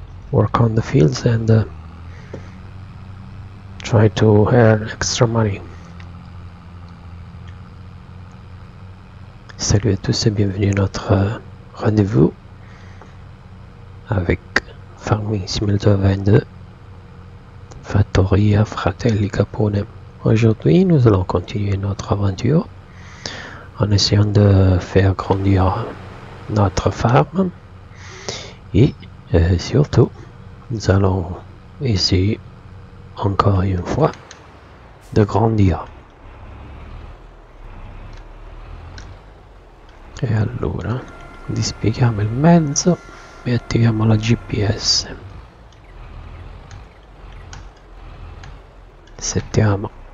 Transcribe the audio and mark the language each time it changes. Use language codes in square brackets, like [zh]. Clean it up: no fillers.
[en] work on the fields and try to earn extra money. [fr] Salut à tous et bienvenue à notre rendez-vous avec Farming Simulator 22 Fattoria Fratelli Capone. Aujourd'hui, nous allons continuer notre aventure en essayant de faire grandir notre ferme et surtout, nous allons essayer encore une fois de grandir. [it] E allora, dispieghiamo il mezzo e attiviamo la GPS. Settiamo.